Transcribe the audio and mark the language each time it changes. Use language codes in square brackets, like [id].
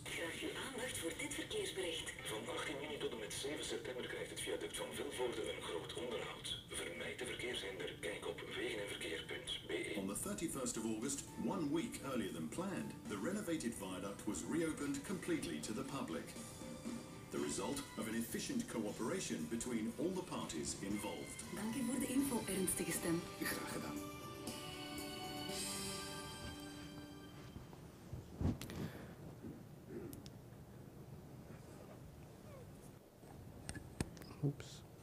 [nl] Graag uw aandacht voor dit verkeersbericht. Van 18 juni tot en met 7 september krijgt het viaduct van Vilvoorde een groot onderhoud. Vermijd de verkeershinder. Kijk op wegenenverkeer.be. [en] On the 31st of August, one week earlier than planned, the renovated viaduct was reopened completely to the public. The result of an efficient cooperation between all the parties involved. [nl] Dank u voor de info, ernstige stem. Graag gedaan. Oeps.